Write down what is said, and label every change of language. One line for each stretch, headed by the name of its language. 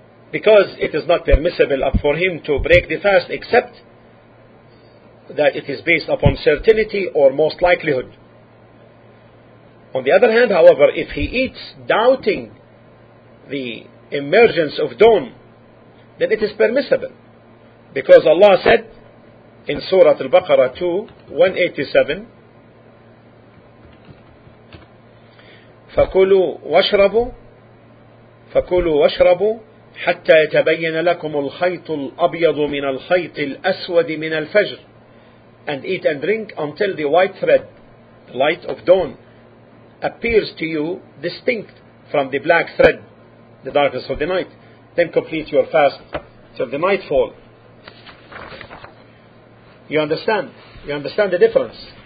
English: Because it is not permissible for him to break the fast except that it is based upon certainty or most likelihood. On the other hand, however, if he eats doubting the emergence of dawn, then it is permissible. Because Allah said in Surah Al-Baqarah 2:187,
Arabic: فَكُلُوا وَاشْرَبُوا فَكُلُوا وَاشْرَبُوا حَتَّى يَتَبَيَّنَ لَكُمُ الْخَيْطُ الْأَبْيَضُ مِنَ الْخَيْطِ الْأَسْوَدِ مِنَ الْفَجْرِ.
English: And eat and drink until the white thread, the light of dawn, appears to you distinct from the black thread, the darkness of the night. Then complete your fast till the nightfall. You understand? You understand the difference?